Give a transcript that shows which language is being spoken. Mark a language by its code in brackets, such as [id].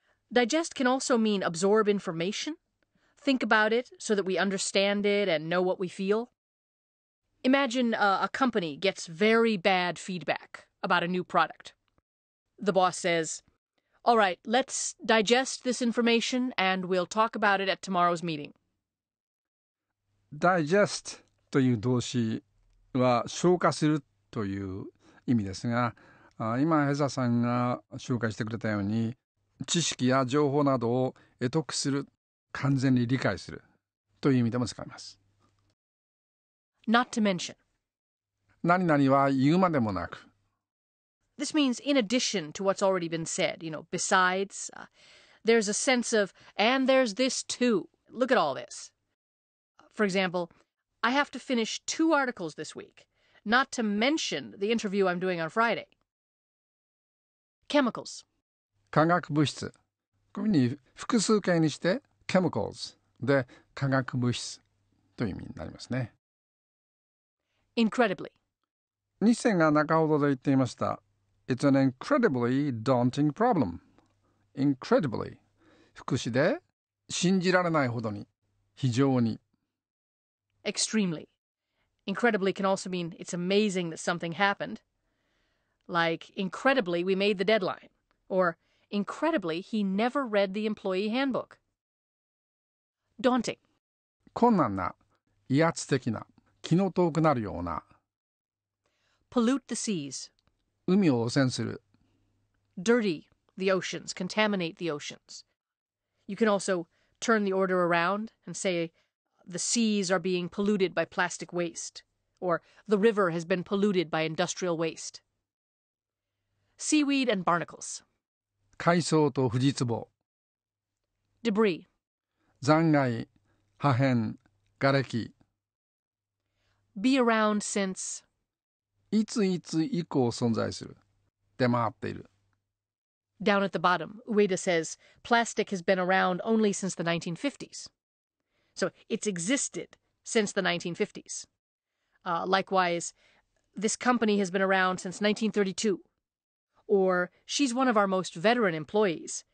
[en] Digest can also mean absorb information, think about it so that we understand it and know what we feel. Imagine a company gets very bad feedback about a new product. The boss says, "All right, let's digest this information and we'll talk about it at tomorrow's meeting." [ja] Digest という動詞は消化するという意味ですが、今ヘザさんが紹介してくれたように、知識や情報などを得得する、完全に理解するという意味でも使います。 [en] Not to mention. [ja] 何々は言うまでもなく。 [en] This means in addition to what's already been said, you know, besides, there's a sense of, and there's this too. Look at all this. For example, I have to finish two articles this week, not to mention the interview I'm doing on Friday. Chemicals. [ja] 化学物質。こういうふうに複数形にして、chemicals で化学物質という意味になりますね。 [en] Incredibly. [ja] ニッセンが中ほどで言っていました。 [en] It's an incredibly daunting problem. Incredibly. [ja] 副詞で、信じられないほどに、非常に。 [en] Extremely. Incredibly can also mean it's amazing that something happened. Like, incredibly, we made the deadline. Or, incredibly, he never read the employee handbook. Daunting. [ja] 困難な、威圧的な、気の遠くなるような。 [en] Pollute the seas. [ja] 海を汚染する。 [en] Dirty the oceans, contaminate the oceans. You can also turn the order around and say,The seas are being polluted by plastic waste, or the river has been polluted by industrial waste. Seaweed and barnacles. [ja] 海藻と藤壺. [en] Debris. [ja] 残骸、破片、瓦礫. [en] Be around since. [ja] いついつ以降存在する。出回っている。 [en] Down at the bottom, Ueda says, plastic has been around only since the 1950s. So it's existed since the 1950s. Likewise, this company has been around since 1932. Or she's one of our most veteran employees.